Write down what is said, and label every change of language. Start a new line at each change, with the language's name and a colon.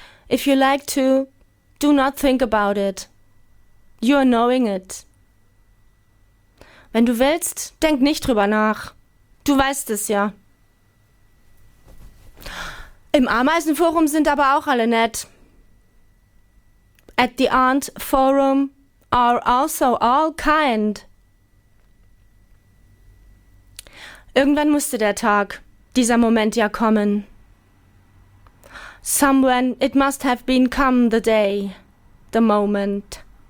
English: If you like to, do not think about it. You are knowing it.
German: Wenn du willst, denk nicht drüber nach. Du weißt es ja. Im Ameisenforum sind aber auch alle nett.
English: At the Ant Forum are also all kind.
German: Irgendwann musste der Tag, dieser Moment ja kommen.
English: Somewhen it must have been come the day, the moment.